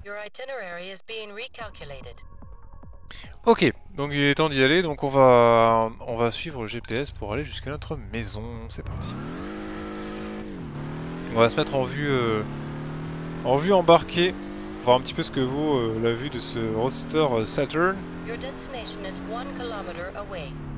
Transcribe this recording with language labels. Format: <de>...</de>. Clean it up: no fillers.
<en>Your itinerary is being recalculated.</en> <fr>Ok, donc il est temps d'y aller, donc on va suivre le GPS pour aller jusqu'à notre maison. C'est parti. On va se mettre en vue embarquée, voir un petit peu ce que vaut la vue de ce roadster Saturn.</fr> <en>Your destination is 1 kilometer away.</en>